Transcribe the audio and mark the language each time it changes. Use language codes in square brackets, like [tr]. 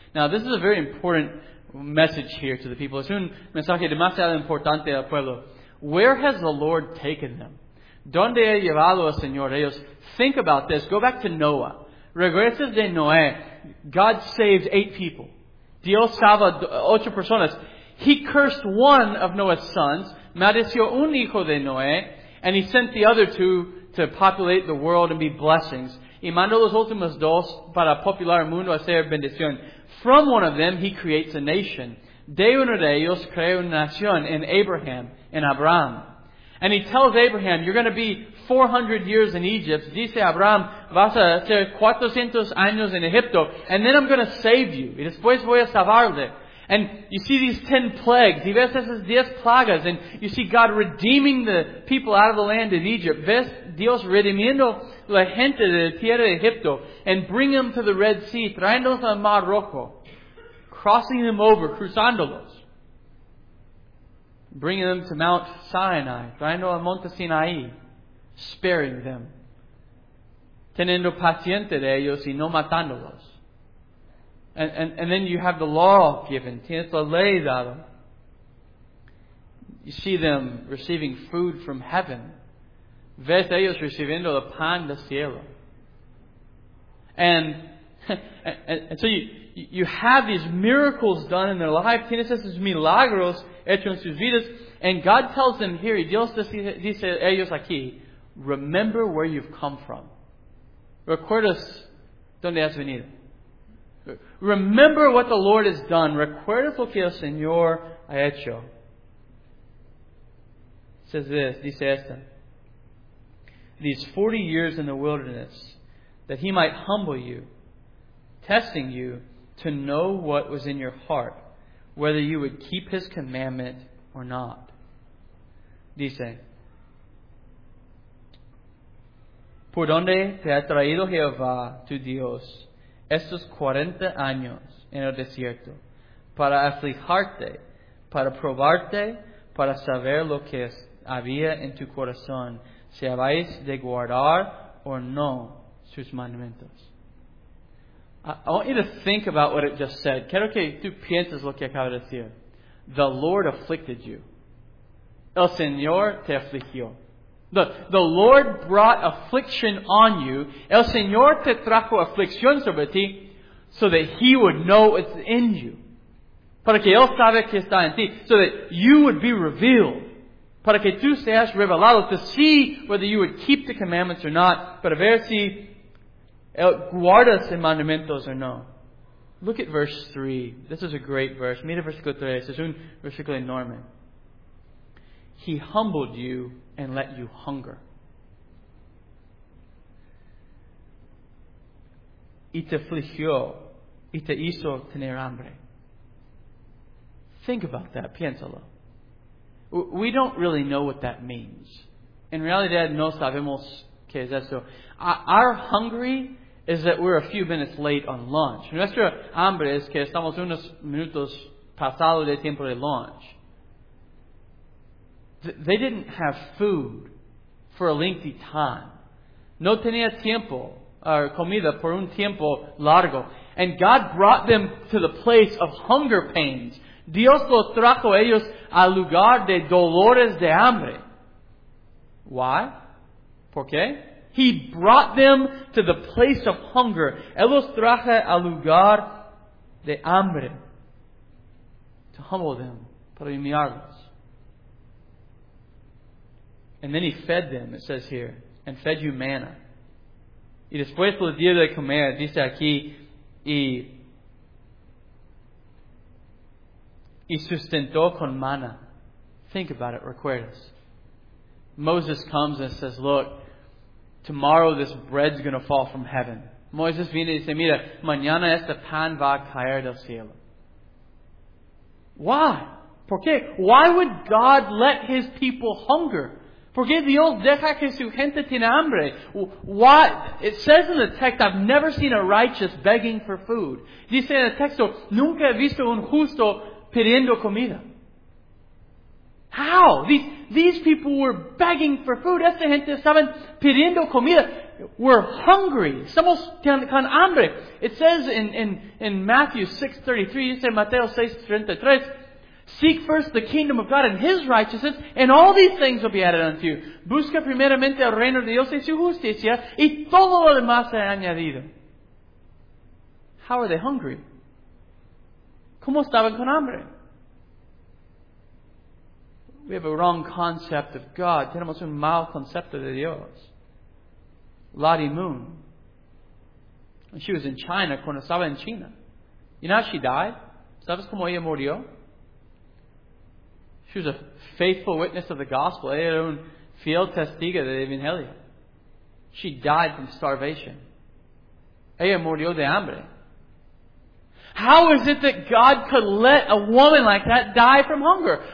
[en] Now, this is a very important message here to the people. [es] Es un mensaje demasiado importante al pueblo. [en] Where has the Lord taken them? [es] ¿Dónde ha llevado el Señor ellos? [en] Think about this. Go back to Noah. [es] Regresas de Noé. [en] God saved 8 people. [es] Dios salva 8 personas. [en] He cursed one of Noah's sons. [es] Maldició un hijo de Noé. [en] And He sent the other 2 to populate the world and be blessings. [es] Y mandó los últimos 2 para popular el mundo a ser bendición. [en] From one of them, He creates a nation. [es] De uno de ellos crea una nación en Abraham, en Abraham. [en] And He tells Abraham, you're going to be 400 years in Egypt. [es] Dice Abraham, vas a ser 400 años en Egipto. [en] And then I'm going to save you. [es] Y después voy a salvarle. [en] And you see these 10 plagues. [es] Y ves esas 10 plagas. [en] And you see God redeeming the people out of the land of Egypt. [es] Ves Dios redimiendo la gente de la tierra de Egipto. [en] And bring them to the Red Sea. [es] Traéndolos al Mar Rojo. [en] Crossing them over. [es] Cruzándolos. [en] bringing them to Mount Sinai, [es] traendo al Monte Sinai, [en] sparing them, [es] teniendo paciente de ellos y no matándolos. [en] And then you have the law given, [es] tienes la ley dada. [en] You see them receiving food from heaven. [es] Ves ellos recibiendo el pan del cielo. [en] And so you have these miracles done in their life. [es] Tienes esos milagros hechos en sus vidas. [en] And God tells them here, [es] Dios dice ellos aquí, [en] remember where you've come from. [es] Recuerdas donde has venido. [en] Remember what the Lord has done. [es] Recuerdas lo que el Señor ha hecho. [en] Says this, [es] dice esta. [en] These 40 years in the wilderness, that He might humble you, testing you to know what was in your heart, whether you would keep His commandment or not. [es] Dice, ¿por dónde te ha traído Jehová tu Dios estos 40 años en el desierto? Para afligirte, para probarte, para saber lo que es. Había en tu corazón si habéis de guardar o no sus mandamientos. [en] I want you to think about what it just said. [es] Quiero que tú pienses lo que acaba de decir. [en] The Lord afflicted you. [es] El Señor te afligió. [en] The Lord brought affliction on you. [es] El Señor te trajo aflicción sobre ti [en] so that He would know it's in you. [es] Para que Él sabe que está en ti. [en] So that you would be revealed. [es] Para que tú seas revelado, [en] to see whether you would keep the commandments or not, [es] para ver si guardas en mandamientos or no. [en] Look at verse 3. This is a great verse. [es] Mira versículo 3. Es un versículo enorme. [en] He humbled you and let you hunger. [es] Y te afligió y te hizo tener hambre. [en] Think about that. [es] Piénsalo. [en] We don't really know what that means. [es] En realidad, no sabemos qué es eso. [en] Our hungry is that we're a few minutes late on lunch. [es] Nuestro hambre es que estamos unos minutos pasado de tiempo de lunch. [en] They didn't have food for a lengthy time. [es] No tenía tiempo, or comida, por un tiempo largo. [en] And God brought them to the place of hunger pains. [es] Dios los trajo a ellos al lugar de dolores de hambre. [en] Why? [es] ¿Por qué? [en] He brought them to the place of hunger. [es] Él los trajo al lugar de hambre. [en] To humble them, [es] para humillarlos. [en] And then He fed them, it says here, and fed you manna. [es] Y después del día de comer, dice aquí, y sustentó con manna. [en] Think about it. [es] Recuerdas. [en] Moses comes and says, look, tomorrow this bread's going to fall from heaven. [es] Moses viene y dice, mira, mañana este pan va a caer del cielo. [en] Why? [es] ¿Por qué? [en] Why would God let His people hunger? [es] ¿Por qué Dios deja que su gente tiene hambre? [en] Why? It says in the text, I've never seen a righteous begging for food. [es] Dice en el texto, nunca he visto un justo pidiendo comida. [en] How? These people were begging for food. [es] Esta gente estaban pidiendo comida. [en] We're hungry. [es] Estamos con hambre. [en] It says in Matthew 6:33, [es] dice Mateo 6:33, [en] seek first the kingdom of God and His righteousness, and all these things will be added unto you. [es] Busca primeramente el reino de Dios y su justicia, y todo lo demás será añadido. [en] How are they hungry? [es] ¿Cómo estaban con hambre? [en] We have a wrong concept of God. [es] Tenemos un mal concepto de Dios. Lottie Moon. [en] She was in China [es] cuando estaba en China. [en] You know how she died? [es] ¿Sabes cómo ella murió? [en] She was a faithful witness of the gospel. [es] Ella era un fiel testigo del Evangelio. [en] She died from starvation. [es] Ella murió de hambre. [en] How is it that God could let a woman like that die from hunger?